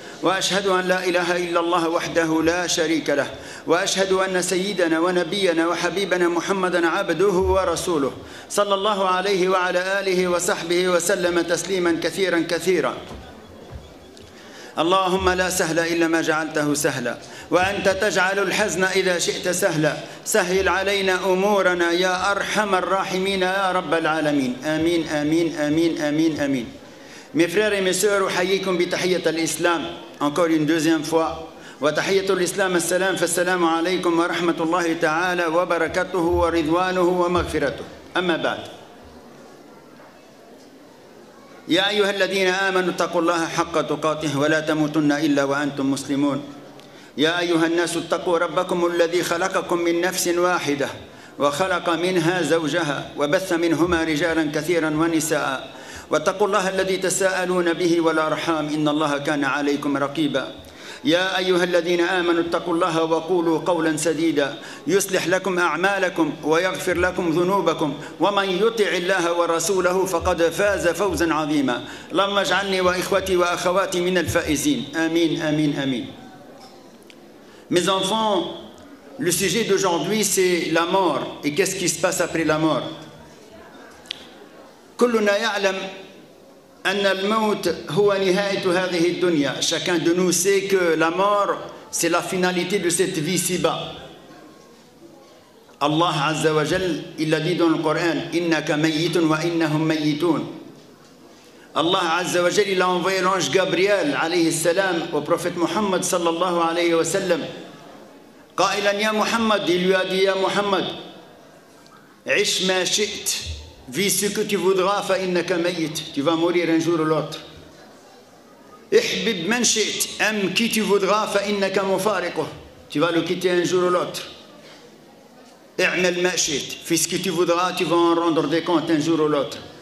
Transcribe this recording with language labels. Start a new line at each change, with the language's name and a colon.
Arabic: وأشهد أن لا إله إلا الله وحده لا شريك له، وأشهد أن سيدنا ونبينا وحبيبنا محمدًا عبده ورسوله صلى الله عليه وعلى آله وصحبه وسلم تسليمًا كثيرًا كثيرًا. اللهم لا سهل إلا ما جعلته سهلا، وأنت تجعل الحزن إذا شئت سهلا. سهل علينا أمورنا يا أرحم الراحمين يا رب العالمين. آمين آمين آمين آمين آمين.
French: Mes frères et mes sœurs,
Arabic: أحييكم بتحية الإسلام
French: encore une deuxième fois.
Arabic: وتحية الإسلام السلام فالسلام عليكم ورحمة الله تعالى وبركاته ورضوانه ومغفرته. أما بعد، يا أيها الذين آمنوا اتقوا الله حق تقاته ولا تموتن إلا وأنتم مسلمون. يا أيها الناس اتقوا ربكم الذي خلقكم من نفس واحدة وخلق منها زوجها وبث منهما رجالا كثيرا ونساء، واتقوا الله الذي تساءلون به والأرحام إن الله كان عليكم رقيبا. يا أيها الذين آمنوا اتقوا الله وقولوا قولا سديدا يصلح لكم أعمالكم ويغفر لكم ذنوبكم، ومن يطع الله ورسوله فقد فاز فوزا عظيما. اللهم اجعلني وإخوتي وأخواتي من الفائزين. آمين آمين آمين.
French: Mes enfants, le sujet d'aujourd'hui c'est la mort et qu'est-ce qui se passe après la mort.
Arabic: كلنا يعلم أن الموت هو نهاية هذه الدنيا.
French: Chacun de nous sait que la mort c'est la finalité de cette vie ici-bas. Allah Azza wa Jal il a dit dans le Coran
Arabic: إنك ميت وإنهم ميتون.
French: Allah Azza wa Jal il a envoyé l'ange Gabriel عليه السلام au prophète Muhammad sallallahu alayhi wa sallam
Arabic: قائلا يا محمد.
French: Il lui a dit
Arabic: يا محمد عش ما شئت.
French: Vis ce que tu voudras,
Arabic: fa innaka mayit,
French: tu vas mourir un jour ou l'autre.
Arabic: Ihbib man shi't,
French: aime qui tu voudras,
Arabic: fa innaka mufariquh,
French: tu vas le quitter un jour ou l'autre.
Arabic: I'mal ma shi't,
French: fais ce que tu voudras, tu vas en rendre des comptes un jour ou l'autre.